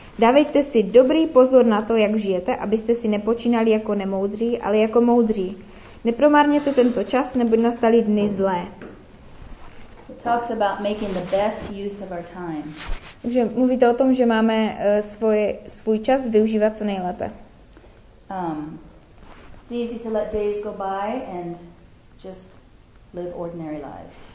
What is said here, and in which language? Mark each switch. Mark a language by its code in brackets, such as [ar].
[cs] Dávejte si dobrý pozor na to, jak žijete, abyste si nepočínali jako nemoudří, ale jako moudří. Nepromárněte tento čas, neboť nastaly dny zlé. [en] It talks about making the best use of our time. [cs] Takže mluvíte o tom, že máme svůj čas využívat co nejlépe. [en] It's easy to let days go by and just live ordinary lives.